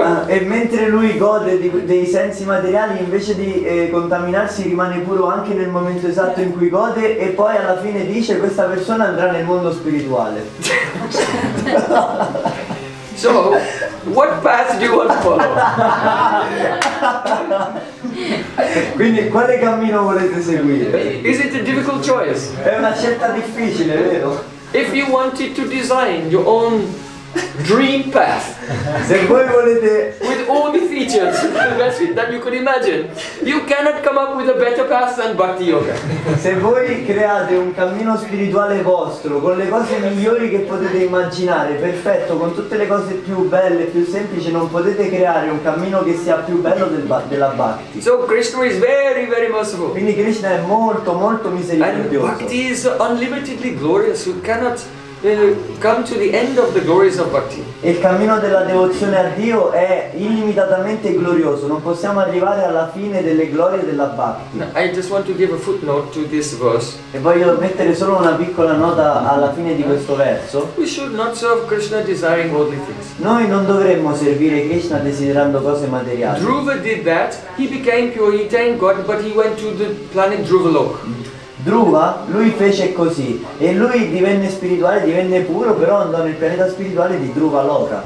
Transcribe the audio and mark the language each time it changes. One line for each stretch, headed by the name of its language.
Italian: E mentre lui gode dei sensi materiali, invece di contaminarsi, rimane puro anche nel momento esatto in cui gode, e poi alla fine dice questa persona andrà nel mondo spirituale.
English: So, what path do you want to follow?
Italian: Quindi quale cammino volete seguire?
English: Is it a difficult choice?
Italian: È una scelta difficile, vero?
English: If you wanted to design your own dream path.
Italian: Se voi volete...
English: with all the features that you could imagine, you cannot come up with a better path than Bhakti Yoga.
Italian: Se voi create un cammino spirituale vostro con le cose migliori che potete immaginare, perfetto, con tutte le cose più belle, più semplici, non potete creare un cammino che sia più bello della Bhakti.
English: So Krishna is very, very merciful.
Italian: Quindi Krishna è molto, molto misericordioso.
English: Bhakti is unlimitedly glorious. You cannot come to the end of the glories of bhakti.
Italian: Il cammino della devozione a Dio è illimitatamente glorioso. Non possiamo arrivare alla fine delle glorie della bhakti.
English: I just want to give a footnote to this verse.
Italian: E voglio mettere solo una piccola nota alla fine di questo verso.
English: We should not serve Krishna desiring worldly things.
Italian: Noi non dovremmo servire Krishna desiderando cose materiali.
English: Dhruva did that. He became pure. He attained God, but he went to the planet Dhruvalok.
Italian: Dhruva, lui fece così, e lui divenne spirituale, divenne puro, però andò nel pianeta spirituale di Dhruva Loka.